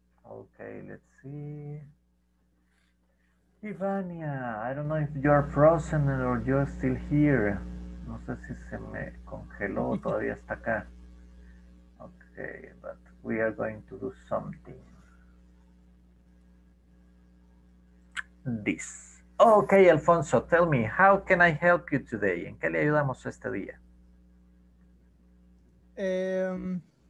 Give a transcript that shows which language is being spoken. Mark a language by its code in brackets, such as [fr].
[en] Okay, let's see. Ivania, I don't know if you're frozen or you're still here. [es] No sé si se me congeló o todavía está acá. [en] Okay, but we are going to do something. This. Okay, Alfonso, tell me, how can I help you today? [es] ¿En qué le ayudamos este día?